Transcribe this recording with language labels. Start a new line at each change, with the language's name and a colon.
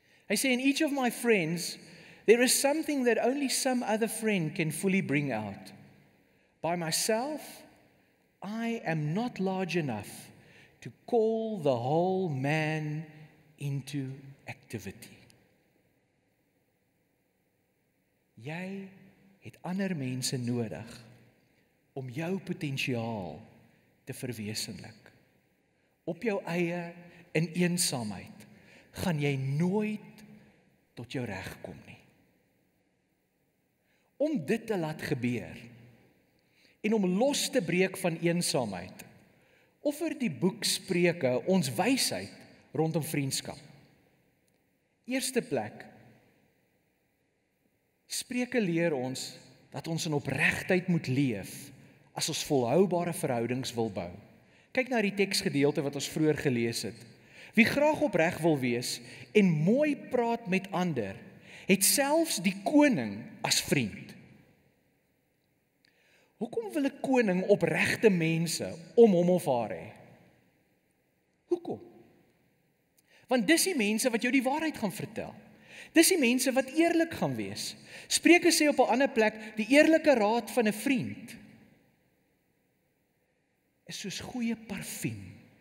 Afrikaans: Hy sê,
English: in each of my friends, there is something that only some other friend can fully bring out. By myself, I am not large enough to call the whole man into activity.
Afrikaans: Jy het ander mense nodig om jou potensiaal te verwesenlik. Op jou eie in eensaamheid gaan jy nooit tot jou reg kom nie. Om dit te laat gebeur en om los te breek van eensaamheid, offer die boek Spreuke ons wysheid rondom vriendskap. Eerste plek, Spreuke leer ons dat ons in opregtheid moet leef as ons volhoubare verhoudings wil bou. Kyk na die teksgedeelte wat ons vroeër gelees het. Wie graag opreg wil wees en mooi praat met ander, het selfs die koning as vriend. Hoekom wil 'n koning opregte mense om hom of haar hê? Hoekom? Want dis die mense wat jou die waarheid gaan vertel. Dis die mense wat eerlik gaan wees. Spreuke sê op 'n ander plek, die eerlike raad van 'n vriend is soos goeie parfum.